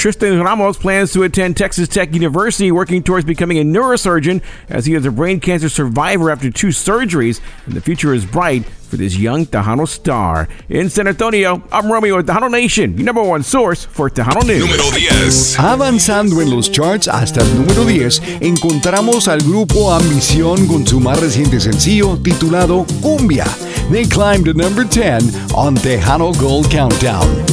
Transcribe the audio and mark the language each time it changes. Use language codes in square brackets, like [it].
[en] Tristan Ramos plans to attend Texas Tech University, working towards becoming a neurosurgeon, as he is a brain cancer survivor after 2 surgeries, and the future is bright for this young Tejano star. In San Antonio, I'm Romeo with Tejano Nation, your number one source for Tejano news. [es] Número 10. Avanzando en los charts hasta el número 10, encontramos al grupo Ambición con su más reciente sencillo titulado Cumbia. [en] They climbed to number 10 on Tejano Gold Countdown.